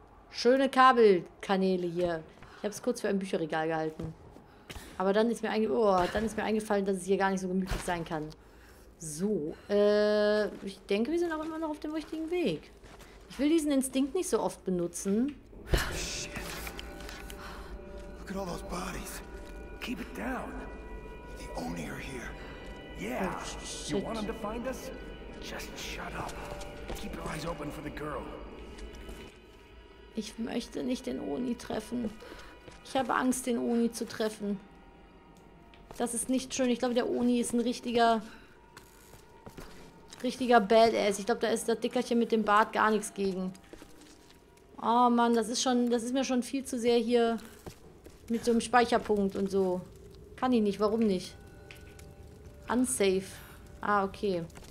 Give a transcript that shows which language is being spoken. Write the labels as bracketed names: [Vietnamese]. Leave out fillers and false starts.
[German] Schöne Kabelkanäle hier. Ich habe es kurz für ein Bücherregal gehalten. Aber dann ist mir eingefallen, dass es hier gar nicht so gemütlich sein kann. So, ich denke, wir sind auch immer noch auf dem richtigen Weg. Ich will diesen Instinkt nicht so oft benutzen. [English] Shit. Look at all those bodies. Keep it down. The Oni are here. Yeah. You want them to find us? Just shut up. Keep your eyes open for the girl. [German] Ich möchte nicht den Oni treffen. Ich habe Angst, den Oni zu treffen. Das ist nicht schön. Ich glaube, der Oni ist ein richtiger Badass. Ich glaube, da ist das Dickerchen mit dem Bart gar nichts gegen. Oh Mann, das ist mir schon viel zu sehr hier mit so einem Speicherpunkt und so. Kann ich nicht, warum nicht? Unsafe. Ah, okay.